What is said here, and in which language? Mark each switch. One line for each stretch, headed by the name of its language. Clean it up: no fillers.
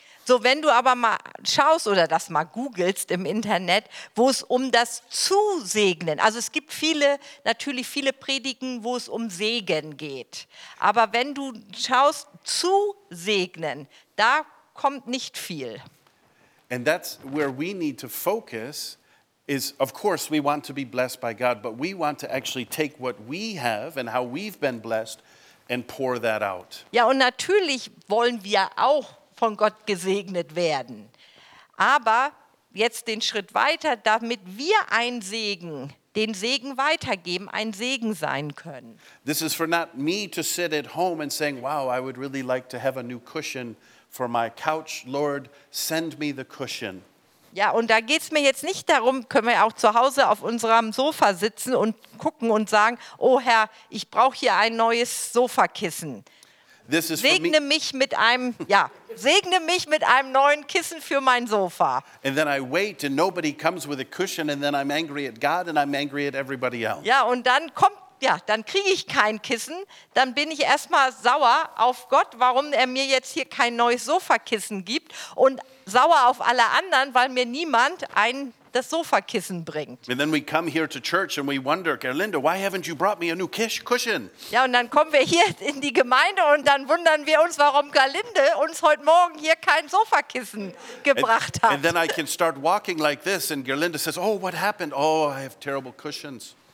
German: So, wenn du aber mal schaust oder das mal googelst im Internet, wo es um das Zusegnen, also es gibt viele, natürlich viele Predigen, wo es um Segen geht. Aber wenn du schaust, zusegnen, da kommt nicht viel.
English: And that's where we need to focus is, of course, we want to be blessed by God, but we want to actually take what we have and how we've been blessed and pour that out.
German: Ja, und natürlich wollen wir auch von Gott gesegnet werden. Aber jetzt den Schritt weiter, damit wir ein Segen, den Segen weitergeben, ein Segen sein können.
English: This is for not me to sit at home and saying, wow, I would really like to have a new cushion for my couch. Lord, send me the cushion.
German: Ja, und da geht's mir jetzt nicht darum, können wir auch zu Hause auf unserem Sofa sitzen und gucken und sagen, oh Herr, ich brauche hier ein neues Sofakissen.
English: This is
German: segne mich mit einem, ja, segne mich mit einem neuen Kissen für mein Sofa.
English: And then I wait and nobody comes with a cushion and then I'm angry at God and I'm angry at everybody else.
German: Ja, und dann kommt, ja, dann kriege ich kein Kissen, dann bin ich erstmal sauer auf Gott, warum er mir jetzt hier kein neues Sofakissen gibt und sauer auf alle anderen, weil mir niemand ein das Sofakissen bringt.
English: And then we come here to church and we wonder, Gerlinde, why haven't you brought me a new cushion?
German: Ja, und dann kommen wir hier in die Gemeinde und dann wundern wir uns, warum Gerlinde uns heute Morgen hier kein Sofakissen gebracht hat.
English: And then I can start walking like this and Gerlinde says, oh, what happened? Oh, I have terrible cushions.